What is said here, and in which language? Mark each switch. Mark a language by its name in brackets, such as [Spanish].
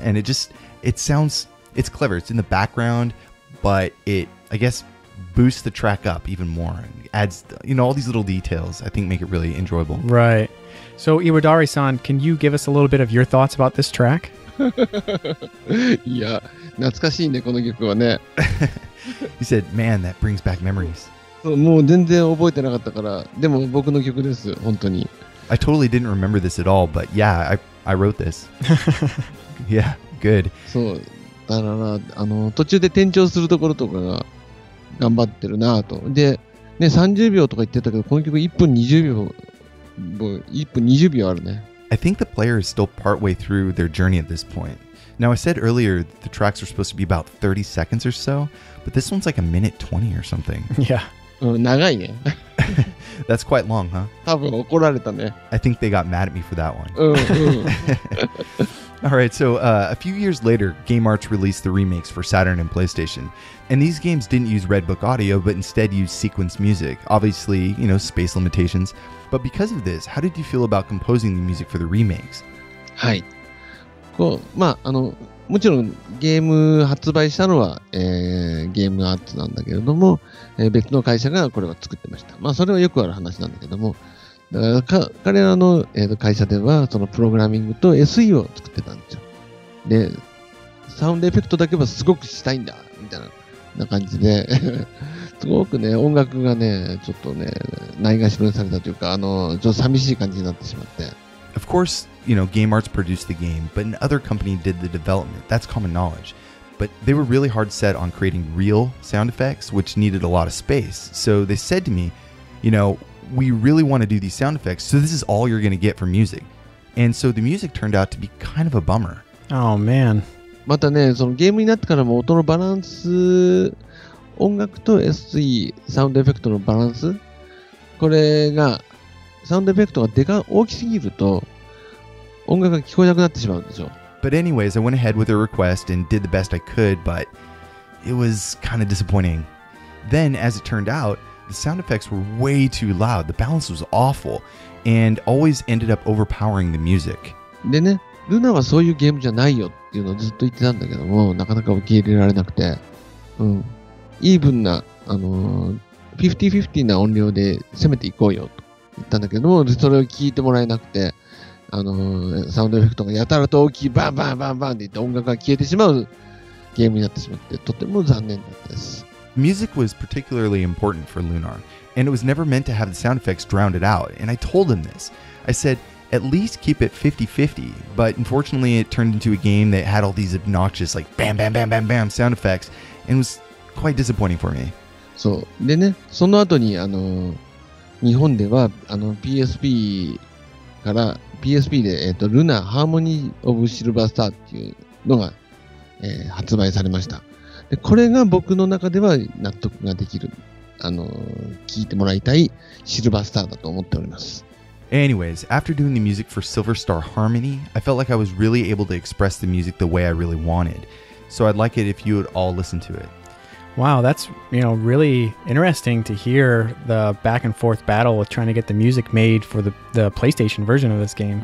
[English] And it sounds clever. It's in the background, but it, I guess, boosts the track up even more and adds, you know, all these little details, I think, make it really enjoyable. Right. So, Iwadare-san, can you give us a little bit of your thoughts about this track? [Japanese] Yeah, 懐かしいね、この曲はね。 [English] He said, man, that brings back memories. [Japanese] そう、もう全然覚えてなかったから、でも僕の曲です、本当に。 [English] I totally didn't remember this at all, but yeah, I wrote this. Yeah, good. [Japanese] そう、だから、途中で転調するところとかが頑張ってるなと。で、ね、30秒とか言ってたけど、この曲1分20秒、もう1分20秒あるね。 [English] I think the player is still partway through their journey at this point. Now, I said earlier that the tracks are supposed to be about 30 seconds or so, but this one's like a minute 20 or something. Yeah. [Japanese] 長いね。 [English] That's quite long, huh? [Japanese] 多分怒られたね。 [English] I think they got mad at me for that one. うん、うん。 All right, so a few years later, Game Arts released the remakes for Saturn and PlayStation. And these games didn't use Redbook audio, but instead used sequenced music. Obviously, you know, space limitations. But because of this, how did you feel about composing the music for the remakes? [Japanese] はい。こう、まあ、もちろんゲーム発売したのは、ゲームアーツなんだけれども、別の会社がこれを作ってました。まあそれはよくある話なんだけども、だから彼らの会社ではそのプログラミングと SE を作ってたんですよ。で、サウンドエフェクトだけはすごくしたいんだみたいな感じで、すごくね、音楽がね、ちょっとね、ないがしろにされたというか、ちょっと寂しい感じになってしまって。 [English] Of course, you know, Game Arts produced the game, but another company did the development. That's common knowledge. But they were really hard set on creating real sound effects, which needed a lot of space. So they said to me, you know, we really want to do these sound effects, so this is all you're going to get for music. And so the music turned out to be kind of a bummer. Oh, man. [Japanese] またね、そのゲームになってからも音のバランス、音楽と SE、サウンドエフェクトのバランス、これが、サウンドエフェクトがでか大きすぎると、音楽が聞こえなくなってしまうんでしょ。 [English] But anyways, I went ahead with their request and did the best I could, but it was kind of disappointing. Then, as it turned out, the sound effects were way too loud, the balance was awful, and always ended up overpowering the music. [Japanese] でね、ルナはそういうゲームじゃないよっていうのをずっと言ってたんだけども、なかなか受け入れられなくて、うん、イーブンな、50-50 な音量で攻めていこうよと言ったんだけども、それを聞いてもらえなくて、サウンドエフェクトがやたらと大きいバンバンバンバンって言って音楽が消えてしまうゲームになってしまって、とても残念だったです。 [English] Music was particularly important for Lunar, and it was never meant to have the sound effects drown it out, and I told him this. I said,At least keep it 50-50, but unfortunately it turned into a game that had all these obnoxious like bam bam bam bam bam sound effects and was quite disappointing for me. [Japanese] そう。でね、その後に日本では PSP から PSP で、ルナハーモニーオブシルバースターっていうのが、発売されました。で、これが僕の中では納得ができる、聞いてもらいたいシルバースターだと思っております。 [English] Anyways, after doing the music for Silver Star Harmony, I felt like I was really able to express the music the way I really wanted. So I'd like it if you would all listen to it. Wow, that's, you know, really interesting to hear the back and forth battle with trying to get the music made for the PlayStation version of this game.